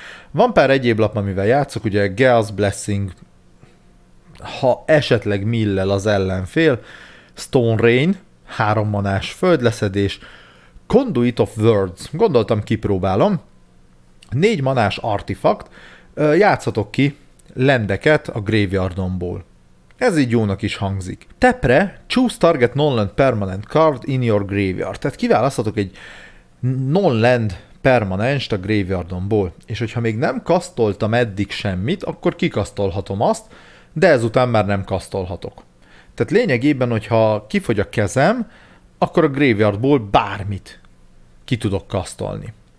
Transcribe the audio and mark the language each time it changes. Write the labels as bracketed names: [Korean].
[Hungarian] Van pár egyéb lap, amivel játszok, ugye Gaea's Blessing, ha esetleg millel az ellenfél, Stone Rain, 3 manás földleszedés, Conduit of Words, gondoltam kipróbálom, 4 manás artifact, játszhatok ki lendeket a graveyardomból. Ez így jónak is hangzik. [English] Tepre, choose target non-land permanent card in your graveyard. [Hungarian] Tehát kiválaszthatok egy non-land permanenst a graveyardomból. És hogyha még nem kasztoltam eddig semmit, akkor kikasztolhatom azt, de ezután már nem kasztolhatok. Tehát lényegében, hogyha kifogy a kezem, akkor a graveyardból bármit ki tudok kasztolni.